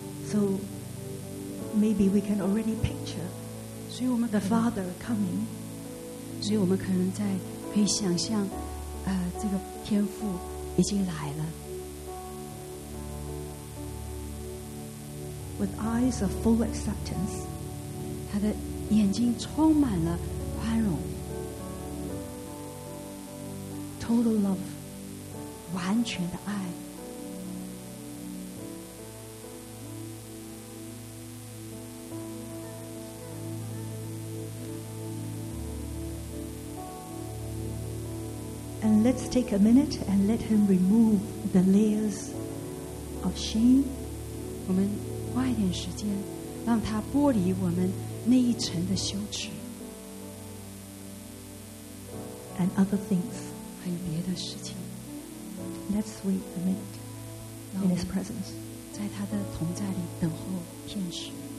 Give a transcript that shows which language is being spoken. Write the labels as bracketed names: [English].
[English] So maybe we can already picture the Father coming. [Chinese] 所以我们可能在可以想象，这个天父已经来了。 [English] With eyes of full acceptance, [Chinese] 他的眼睛充满了宽容 [English] ，total love, [Chinese] 完全的爱。 [English] Let's take a minute and let him remove the layers of shame. [Chinese] 我们花一点时间，让他剥离我们那一层的羞耻。 [English] And other things. [Chinese] 还有别的事情。 [English] Let's wait a minute in his presence. [Chinese] 在他的同在里等候天使。